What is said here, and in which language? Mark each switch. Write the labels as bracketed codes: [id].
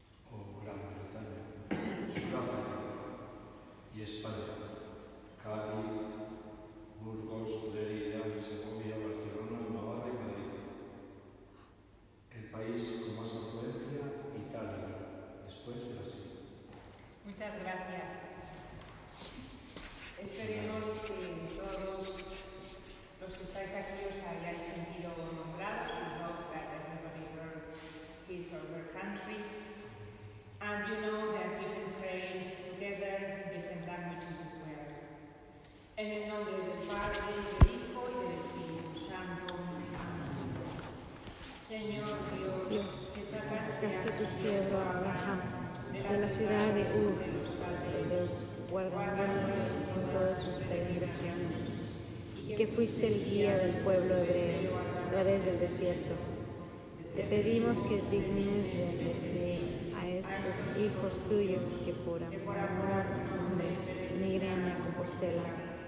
[es] o Gran Bretaña, Sudáfrica y España, Cádiz, Burgos, Lérida, Segovia, Barcelona, Navarra y Madrid. El país con más influencia, Italia, después Brasil. Muchas gracias. Esperemos que todos los que estáis aquí os hayáis sentido nombrados. [en] We hope that everybody from his or her country. And you know that we can pray together in different languages as well. [es] En el nombre del Padre, del Hijo y del Espíritu Santo. Señor Dios, que sacaste a tu siervo Abraham de la ciudad de Ur de los guardianes con todas sus peregrinaciones, y que fuiste el guía del pueblo hebreo a través del desierto, te pedimos que dignes de bendecir a estos hijos tuyos que por amor a tu nombre migran a Compostela.